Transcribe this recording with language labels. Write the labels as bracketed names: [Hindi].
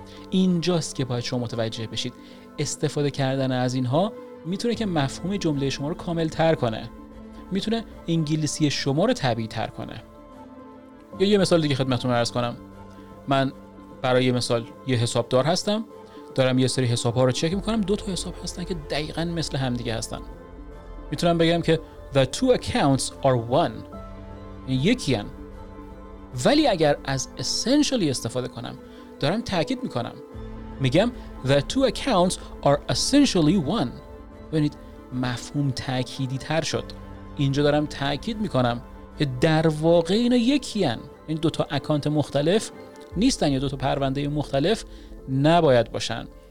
[Persian] اینجاست که باید شما متوجه بشید استفاده کردن از اینها میتونه که مفهوم جمله شما رو کامل تر کنه، میتونه انگلیسی شما رو طبیعی تر کنه. یا یه مثال دیگه خدمتتون عرض کنم. من برای مثال یه حسابدار هستم، دارم یه سری حساب‌ها رو چک می‌کنم، دو تا حساب هستن که دقیقاً مثل هم دیگه هستن. میتونم بگم که [English] the two accounts are one، [Persian] یکی‌ان. ولی اگر از essentially استفاده کنم، دارم تاکید می‌کنم، میگم [English] the two accounts are essentially one. [Persian] ببینید مفهوم تأکیدی تر شد. اینجا دارم تأکید میکنم که در واقع اینا یکی‌ان، این دو تا اکانت مختلف نیستن یا دو تا پرونده مختلف نباید باشن.